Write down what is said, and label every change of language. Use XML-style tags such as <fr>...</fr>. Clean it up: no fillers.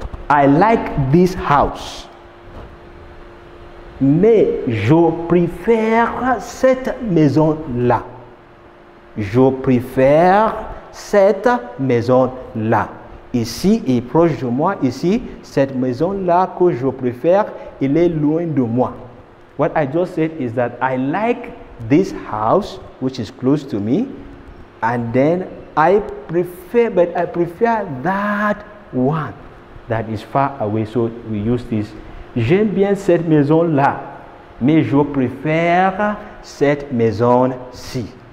<en>I like this house.</en> <fr>Mais je préfère cette maison-là. Je préfère cette maison-là. Ici et proche de moi, ici, cette maison-là que je préfère, il est loin de moi.</fr> <en>What I just said is that I like this house, which is close to me, and then I prefer that one that is far away. So we use this.</en> <fr>J'aime bien cette maison là, mais je préfère cette maison ci.</fr>